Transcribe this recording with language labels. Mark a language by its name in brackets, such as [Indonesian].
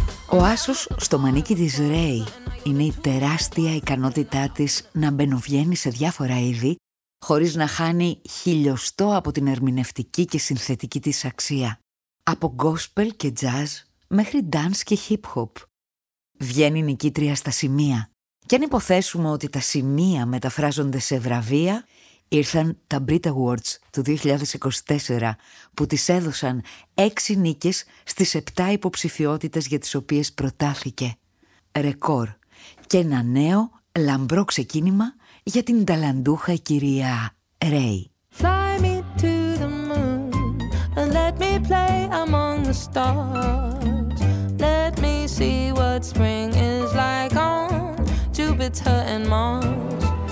[Greek] Ο άσος στο μανίκι της Ρέι είναι η τεράστια ικανότητά της να μπαινοβγαίνει σε διάφορα είδη χωρίς να χάνει χιλιοστό από την ερμηνευτική και συνθετική της αξία. Από gospel και jazz μέχρι dance και hip hop. Βγαίνει νικήτρια στα σημεία. Και αν υποθέσουμε ότι τα σημεία μεταφράζονται σε βραβεία, ήρθαν τα Brit Awards του 2024 που της έδωσαν 6 νίκες στις 7 υποψηφιότητες για τις οποίες προτάθηκε. Ρεκόρ και ένα νέο λαμπρό ξεκίνημα για την ταλαντούχα κυρία Ρέι. [English] Fly me to the moon and let me play among the stars. Let me see what spring is like on Jupiter and Mars.